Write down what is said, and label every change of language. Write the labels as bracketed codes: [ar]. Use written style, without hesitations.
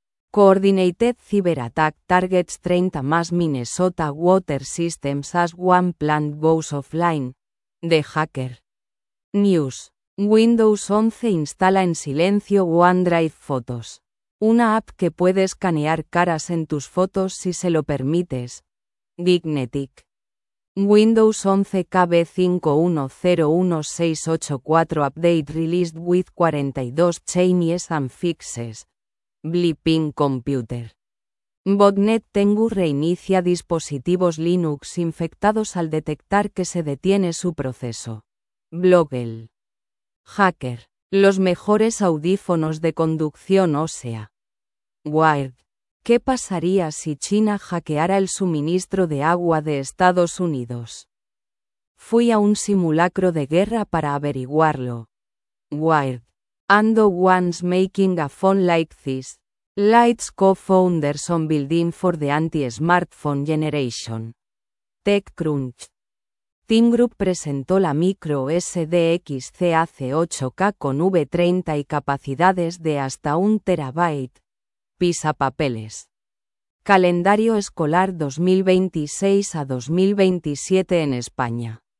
[en] Coordinated Cyber Attack Targets 30 más Minnesota Water Systems as One Plant Goes Offline. The Hacker. News. [es] Windows 11 instala en silencio OneDrive Photos. Una app que puede escanear caras en tus fotos si se lo permites. Dignetic. [en] Windows 11 KB5101684 Update released with 42 changes and fixes. Bleeping computer. [es] Botnet Tengu reinicia dispositivos Linux infectados al detectar que se detiene su proceso. Blogel. Hacker. Los mejores audífonos de conducción ósea. Wired. ¿Qué pasaría si China hackeara el suministro de agua de Estados Unidos? Fui a un simulacro de guerra para averiguarlo. Wired. [en] And the ones making a phone like this. Lights co-founders on building for the anti-smartphone generation. TechCrunch. [es] Team Group presentó la micro SDXC AC8K con V30 y capacidades de hasta 1 TB. Pisa papeles. Calendario escolar 2026 a 2027 en España.